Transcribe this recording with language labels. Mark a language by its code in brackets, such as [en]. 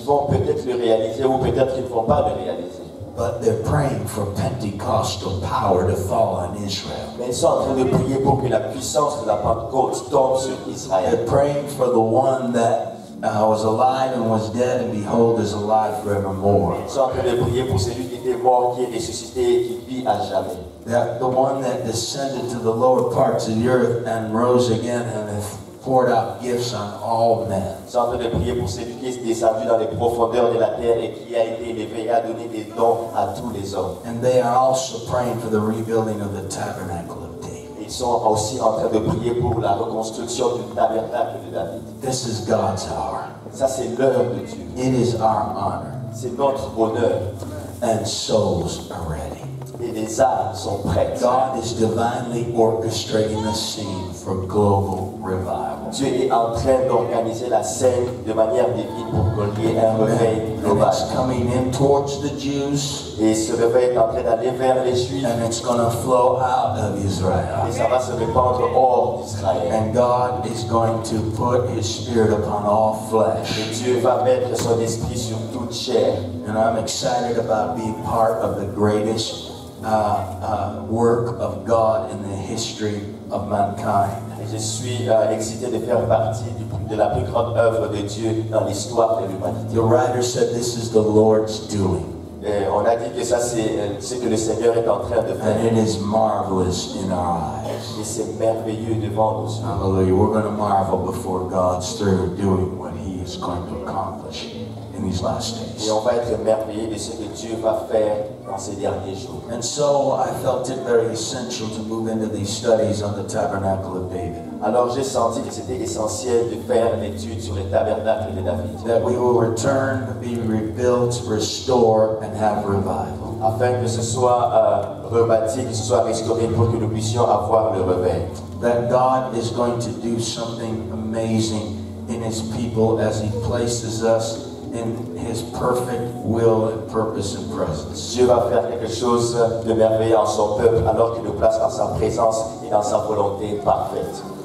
[fr] Ils vont peut-être le réaliser, ou peut-être qu'ils ne vont pas le réaliser. [en] But they're praying for Pentecostal power to fall on Israel. [fr] Mais ils sont en train de prier pour que la puissance de la Pentecôte tombe sur Israël. [en] They're praying for the one that was alive and was dead and behold is alive forevermore. [fr] Ils sont en train de prier pour celui qui était mort, qui est ressuscité et qui vit à jamais. [en] That the one that descended to the lower parts of the earth and rose again and has poured out gifts on all men. [fr] Ils sont en train de prier pour celui qui est descendu dans les profondeurs de la terre et qui a été élevé et a donné des dons à tous les hommes. [en] And they are also praying for the rebuilding of the tabernacle of David. [fr] Ils sont aussi en train de prier pour la reconstruction du tabernacle de David. [en] This is God's hour. [fr] Ça c'est l'heure de Dieu. [en] It is our honor. [fr] C'est notre bonheur. [en] And souls are ready. [fr] Et les âmes sont prêtes. [en] God is divinely orchestrating the scene for global revival. [fr] Dieu est en train d'organiser la scène de manière divine pour qu'il y ait un réveil global. [en] And it's coming in towards the Jews. [fr] Et ce réveil est en train d'aller vers les Juifs. [en] And it's going to flow out of Israel. [fr] Et ça va se répandre hors d'Israël. [en] And God is going to put His Spirit upon all flesh. [fr] Et Dieu va mettre son esprit sur toute chair. [en] And I'm excited about being part of the greatest work of God in the history of mankind. [fr] Je suis excité de faire partie de la plus grande œuvre de Dieu dans l'histoire de l'humanité. [en] The writer said this is the Lord's doing. [fr] Et on a dit que ça c'est ce que le Seigneur est en train de faire. [en] And it is marvelous in our eyes. [fr] Et c'est merveilleux devant nous. [en] Hallelujah. We're going to marvel before God's through doing what He is going to accomplish in these last days. [fr] Et on va être émerveillé de ce que Dieu va faire dans ces derniers jours. [en] And so I felt it very essential to move into these studies on the tabernacle of David. [fr] Alors j'ai senti que c'était essentiel de faire l'étude sur le tabernacle de David. [en] That we will return, be rebuilt, restore, and have revival. [fr] Afin que ce soit rebâti, que ce soit restauré, pour que nous puissions avoir le réveil. [en] That God is going to do something amazing in His people as He places us in His perfect will and purpose and presence. [fr] Dieu va faire quelque chose de merveilleux en son peuple alors qu'il nous place dans sa présence et dans sa volonté parfaite.